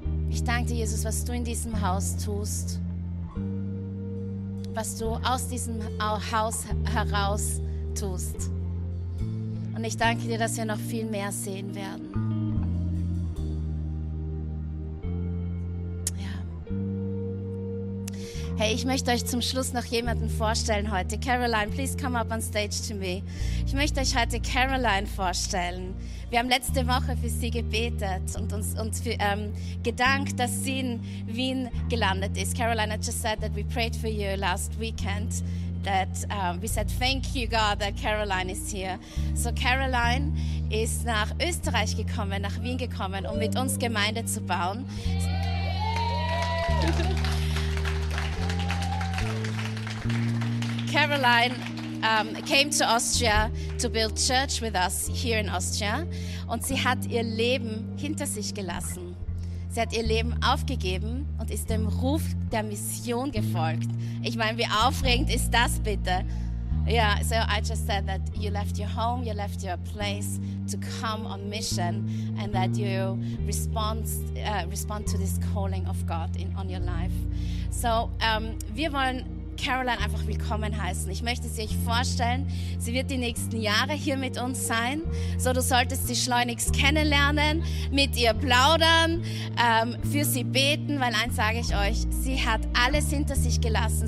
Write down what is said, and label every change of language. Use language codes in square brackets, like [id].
[de] Ich danke dir, Jesus, was du in diesem Haus tust, was du aus diesem Haus heraus tust. Und ich danke dir, dass wir noch viel mehr sehen werden. Hey, ich möchte euch zum Schluss noch jemanden vorstellen heute. [en] Caroline, please come up on stage to me. [de] Ich möchte euch heute Caroline vorstellen. Wir haben letzte Woche für sie gebetet und uns für, gedankt, dass sie in Wien gelandet ist. [en] Caroline, I just said that we prayed for you last weekend. That we said, thank you, God, that Caroline is here. [de] So Caroline ist nach Österreich gekommen, nach Wien gekommen, um mit uns Gemeinde zu bauen. [en] Caroline came to Austria to build church with us here in Austria. [de] Und sie hat ihr Leben hinter sich gelassen. Sie hat ihr Leben aufgegeben und ist dem Ruf der Mission gefolgt. Ich meine, wie aufregend ist das bitte? [en] Yeah, so I just said that you left your home, you left your place to come on mission and that you respond to this calling of God on your life. [de] So wir wollen Caroline einfach willkommen heißen. Ich möchte sie euch vorstellen. Sie wird die nächsten Jahre hier mit uns sein. So, du solltest sie schleunigst kennenlernen, mit ihr plaudern, für sie beten, weil eins sage ich euch, sie hat alles hinter sich gelassen.